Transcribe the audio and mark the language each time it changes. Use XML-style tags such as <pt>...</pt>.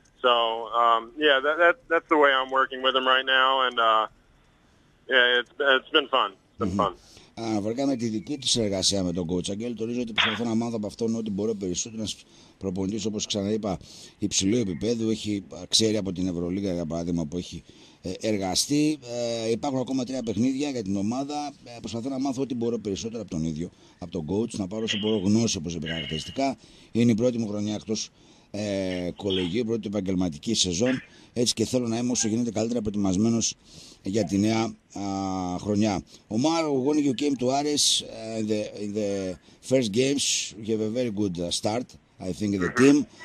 <en>So, yeah, that's the way I'm working with him right now. And, yeah, it's been fun. It's been fun.</en> <el>Αναφορικά με τη δική του συνεργασία με τον coach Αγγέλ, τονίζω ότι προσπαθώ να μάθω από αυτόν ό,τι μπορώ περισσότερο. Ένας προπονητής, όπως ξαναείπα, υψηλού επίπεδου, ξέρει από την Ευρωλίγα για παράδειγμα που έχει εργαστεί. Υπάρχουν ακόμα τρία παιχνίδια για την ομάδα. Προσπαθώ να μάθω ό,τι μπορώ περισσότερο από τον ίδιο, από τον coach, να πάρω όσο μπορώ γνώση όπως είπε χαρακτηριστικά. Είναι η πρώτη μου χρονιά εκτός κολεγίου, πρώτη επαγγελματική σεζόν. Έτσι και θέλω να είμαι όσο γίνεται καλύτερα προετοιμασμένο για τη νέα χρονιά.</el> <en>Omar, when you came to Ares in the first games, you have a very good start, I think, in the team.</en>